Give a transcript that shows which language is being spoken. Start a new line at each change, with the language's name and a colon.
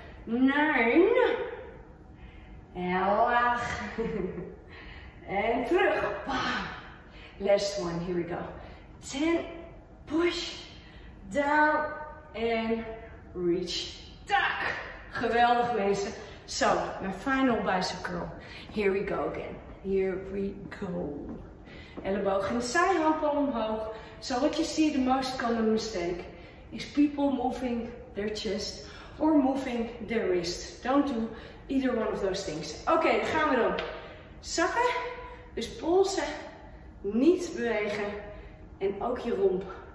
English: 9.
Dutch: En laag. En terug.
English: Bam. Last one. Here we go. 10. Push. Down.
Dutch: En reach. Tak! Geweldig mensen. Zo, mijn final bicep curl.
English: Here we go again. Here we go.
Dutch: Elleboog in de zij, handpalm omhoog.
English: So what you see the most common mistake is people moving their chest or moving their wrist. Don't do either one of those things.
Dutch: Oké, dan gaan we dan. Zakken, dus polsen, niet bewegen en ook je romp.